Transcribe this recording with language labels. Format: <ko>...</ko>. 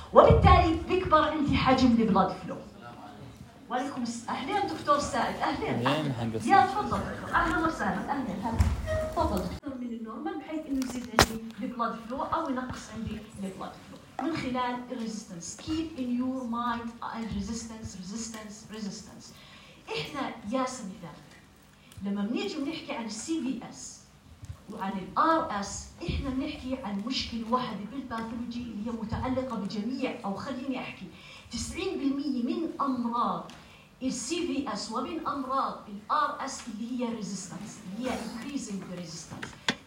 <ar>وبالتالي بيكبر عندي حجم the blood flow. وعليكم أهلين دكتور سعد. أهلين. يا تفضل. أهلا وسهلا. أهلين. تفضل. أكثر من النورمال بحيث إنه يزيد عندي the blood flow أو ينقص عندي the blood flow من خلال the resistance.</ar> <en>Keep in your mind resistance, resistance, resistance.</en> <ar>إحنا يا سمثال لما بنيجي بنحكي عن CVS وعن الـ RS إحنا بنحكي عن مشكلة واحدة بالباثولوجي اللي هي متعلقة بجميع، أو خليني أحكي 90% من أمراض الـ CVS ومن أمراض الـ RS اللي هي resistance، اللي هي increasing the resistance.</ar>